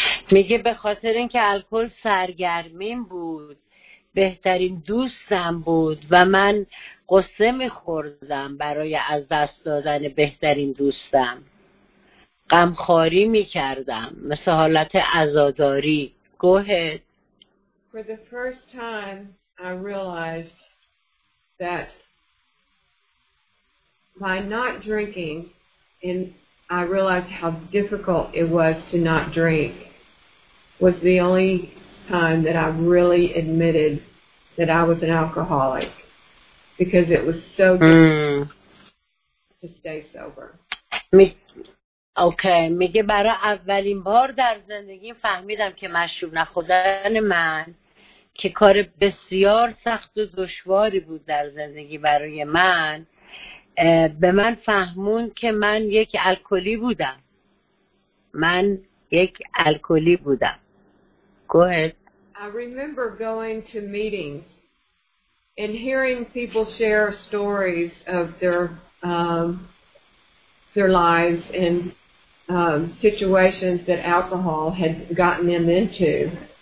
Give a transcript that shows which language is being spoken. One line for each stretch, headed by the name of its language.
Persian: میگه به خاطر اینکه الکل سرگرمیم بود، بهترین دوستم بود و من قصه میخوردم برای از دست دادن بهترین دوستم، غمخواری میکردم مثل حالت عزاداری.
English: Go ahead. For the first time I realized that by not drinking, and I realized how difficult it was to not drink, was the only time that I really admitted that I was an alcoholic, because it was so difficult to stay sober.
Persian: Okay, میگه برای اولین بار در زندگی فهمیدم که مشروب نخوردن من، که کار بسیار سخت و دشواری بود در زندگی برای من، به من فهمون که من یک الکلی بودم. من یک الکلی بودم.
English: Go ahead. I remember going to meetings and hearing people share stories of their lives and situations that alcohol had gotten them into.